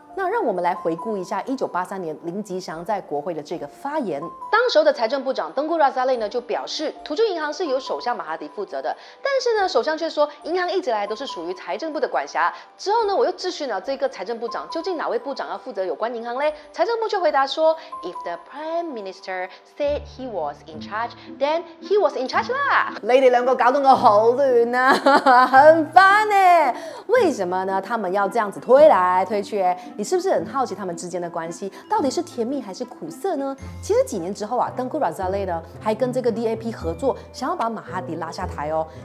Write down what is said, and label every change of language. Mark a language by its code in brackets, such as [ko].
[zh] 那让我们来回顾一下1983年林吉祥在国会的这个发言。当时的财政部长登古拉萨勒呢就表示，土著银行是由首相马哈迪负责的，但是呢首相却说银行一直来都是属于财政部的管辖。之后呢我又质询了这个财政部长，究竟哪位部长要负责有关银行呢？财政部却回答说 [en] If the prime minister said he was in charge, then he was in charge [zh] 啦。你们两个搞得我好乱啊，很烦耶。为什么呢？他们要这样子推来推去，你是不是很好奇他们之间的关系到底是甜蜜还是苦涩呢？其实几年之后啊，登古拉萨勒呢还跟这个 DAP 合作，想要把马哈迪拉下台哦。